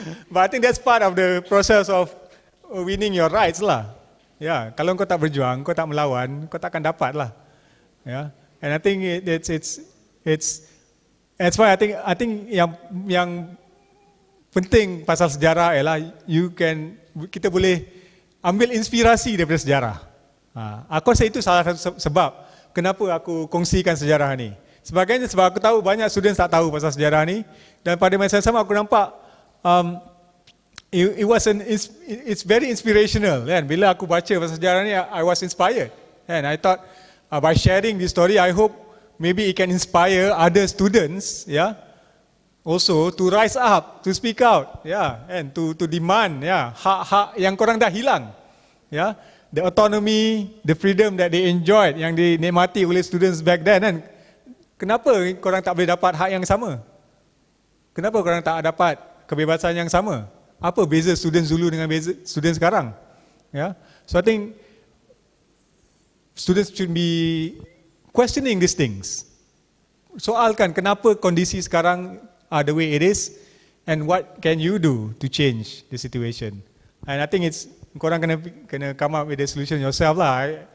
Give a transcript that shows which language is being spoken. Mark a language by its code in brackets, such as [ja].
[en] But I think that's part of the process of winning your rights lah. [ms] Ya, kalau kau tak berjuang, kau tak melawan, kau tak akan dapat lah. Ya. [en] And I think that's why I think [ms] yang penting pasal sejarah ialah kita boleh ambil inspirasi daripada sejarah. Aku rasa itu salah satu sebab kenapa aku kongsikan sejarah ni. Sebagainya sebab aku tahu banyak students tak tahu pasal sejarah ni, dan pada masa yang sama aku nampak [en] It's very inspirational. Yeah? [ms] Bila aku baca pasal sejarah ni, [en] I was inspired. And I thought, by sharing this story, I hope maybe it can inspire other students, yeah, also to rise up, to speak out, yeah, and to demand, yeah, [ms] hak-hak yang korang dah hilang, [en] yeah. the autonomy, the freedom that they enjoyed, [ms] yang dinikmati oleh [en] students back then, kan? [ms] Kenapa korang tak boleh dapat hak yang sama? Kenapa korang tak dapat kebebasan yang sama? Apa beza student dulu dengan beza student sekarang? [en] Yeah. So I think students should be questioning these things. [ms] Soalkan kenapa kondisi sekarang [en] are the way it is, and what can you do to change the situation? And I think it's [ms] korang kena [en] come up with the solution yourself lah.